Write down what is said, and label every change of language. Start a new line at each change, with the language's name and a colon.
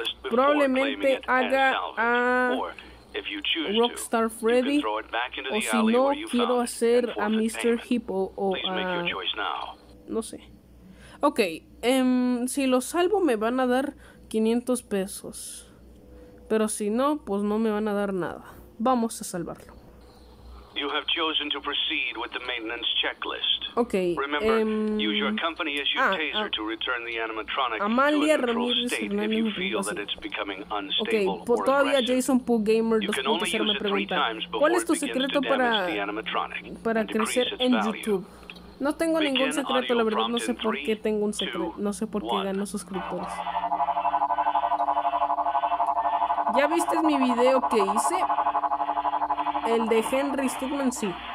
Spanish: Probablemente haga a Rockstar Freddy, o si no, quiero hacer a Mr. Hippo o a... no sé. Ok, si lo salvo me van a dar 500 pesos, pero si no, pues no me van a dar nada. Vamos a salvarlo.
English: You have chosen to proceed with the maintenance checklist. Okay. Remember, use your company issued taser to return the animatronic Amalia to a neutral Ramírez state Hernández if you feel that it's becoming unstable or aggressive.
Spanish: JasonPooGamer 2.0 me pregunta, ¿cuál es tu secreto para crecer en YouTube? No tengo ningún secreto, la verdad, no sé por qué tengo un secreto, no sé por qué gano suscriptores. ¿Ya viste mi video que hice? El de Henry Stigman, sí.